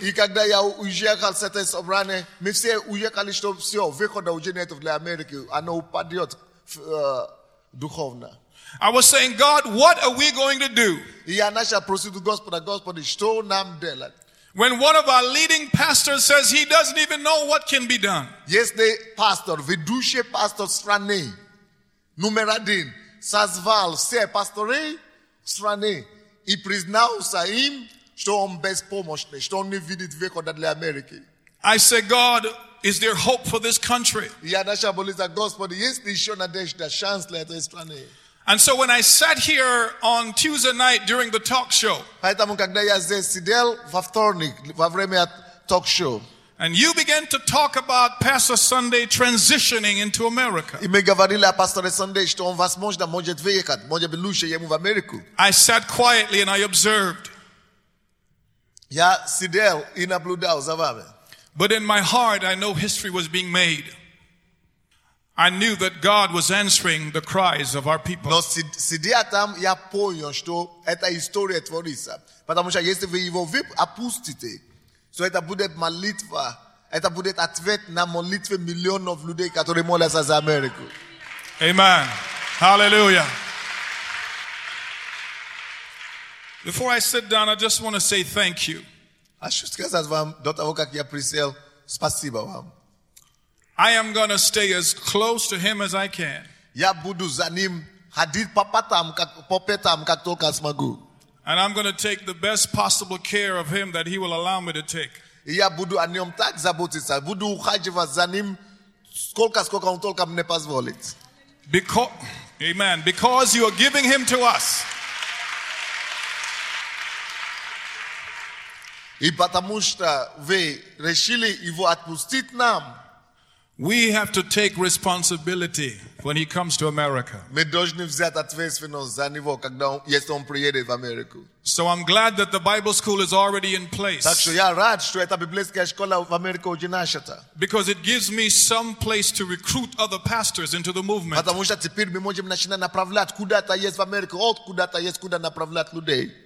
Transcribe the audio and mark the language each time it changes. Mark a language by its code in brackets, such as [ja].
[en] I was saying, God, what are we going to do? When one of our leading pastors says he doesn't even know what can be done. Yesterday, pastor, [ru] ведущий пастор страны, номер один, созвал все пасторы страны и признался им, что он беспомощный, что он не видит выхода для Америки. [en] I say, God, is there hope for this country? [ru] Я начал молиться, Господи, есть ли еще надежда, шанс для этой страны? [en] And so when I sat here on Tuesday night during the talk show, [ru] поэтому когда я здесь сидел во вторник во время talk show, [en] and you began to talk about Pastor Sunday transitioning into America, [ru] и мы говорили о пасторе Сунде, что он возможно может выехать, может быть лучше ему в Америку. [en] I sat quietly and I observed. [ru] Я сидел и наблюдал за вами. [en] But in my heart, I know history was being made. I knew that God was answering the cries of our people. [ru] Но сидя там, я понял, что эта история творится. Потому что если вы его опустите, то это будет молитва, это будет ответ на молитвы миллионов людей, которые молятся за Америку. [en] Amen. Hallelujah. Before I sit down, I just want to say thank you. [ru] Хочу сказать вам, до того, как я присел, спасибо вам. [en] I am going to stay as close to him as I can. [ru] Я буду за ним ходить по пятам, как только смогу. [en] And I'm going to take the best possible care of him that he will allow me to take. [ru] Я буду о нём так заботиться, буду ухаживать за ним сколько он только мне позволит. [en] Because, amen. Because you are giving him to us. [ru] И потому что вы решили его отпустить нам. [en] We have to take responsibility when he comes to America. So I'm glad that the Bible school is already in place. Because it gives me some place to recruit other pastors into the movement.